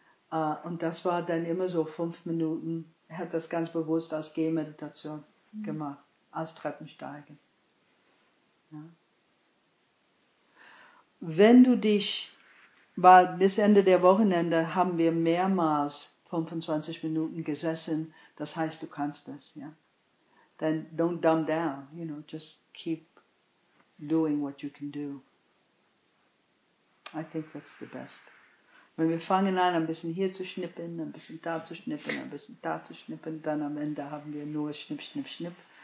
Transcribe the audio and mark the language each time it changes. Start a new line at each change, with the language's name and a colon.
German: Und das war dann immer so 5 Minuten. Er hat das ganz bewusst als Gehmeditation gemacht, als Treppensteigen. Ja. Wenn du dich Weil bis Ende der Wochenende haben wir mehrmals 25 Minuten gesessen. Das heißt, du kannst das, ja.
English: Then don't dumb down, you know, just keep doing what you can do. I think that's the best.
German: Wenn wir fangen an, ein bisschen hier zu schnippen, ein bisschen da zu schnippen, ein bisschen da zu schnippen, dann am Ende haben wir nur Schnipp, Schnipp, Schnipp.